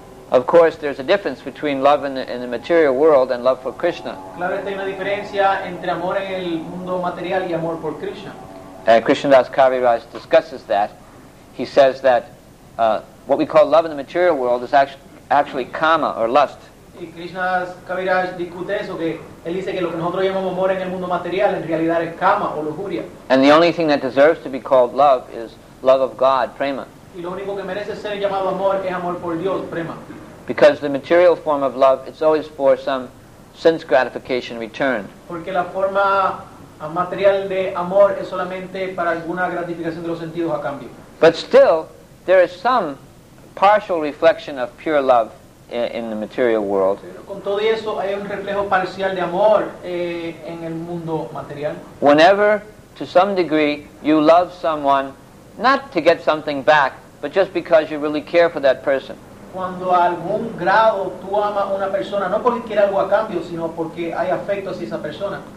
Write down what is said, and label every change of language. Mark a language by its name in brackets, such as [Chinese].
[English] Of course, there's a difference between love in the material world and love for Krishna. Krishna Das Kaviraj discusses that. He says that what we call love in the material world is actually kama, or lust. [Spanish] Y Krishna Das Kaviraj discute eso, que él dice que lo que nosotros llamamos amor en el mundo material en realidad es kama o lujuria. [English] And the only thing that deserves to be called love is love of God, prema. [Spanish] Y lo único que merece ser llamado amor es amor por Dios, prema. [English] Because the material form of love, it's always for some sense gratification return. [Spanish] Porque la forma material de amor es solamente para alguna gratificación de los sentidos a cambio. [English] But still, there is some partial reflection of pure love in the material world. [Spanish] Con todo eso, hay un reflejo parcial de amor en el mundo material. [English] Whenever, to some degree, you love someone, not to get something back, but just because you really care for that person. [Spanish] Cuando a algún grado tú amas una persona, no porque quiera algo a cambio, sino porque hay afecto hacia esa persona.